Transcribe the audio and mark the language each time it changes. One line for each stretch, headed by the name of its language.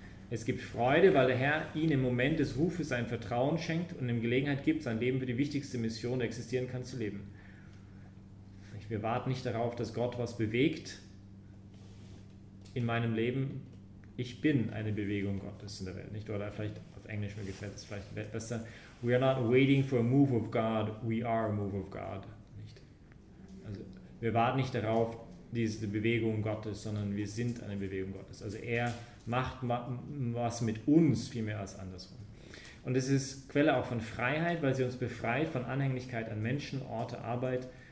German: Es gibt Freude, weil der Herr ihnen im Moment des Rufes sein Vertrauen schenkt und ihm Gelegenheit gibt, sein Leben für die wichtigste Mission, die existieren kann, zu leben. Wir warten nicht darauf, dass Gott was bewegt in meinem Leben. Ich bin eine Bewegung Gottes in der Welt. Nicht? Oder vielleicht auf Englisch, mir gefällt es vielleicht besser.
English: We are not waiting for a move of God, we are a move of God.
German: Nicht? Also, wir warten nicht darauf, diese Bewegung Gottes, sondern wir sind eine Bewegung Gottes. Also er macht was mit uns, viel mehr als andersrum. Und es ist Quelle auch von Freiheit, weil sie uns befreit von Anhänglichkeit an Menschen, Orte, Arbeit.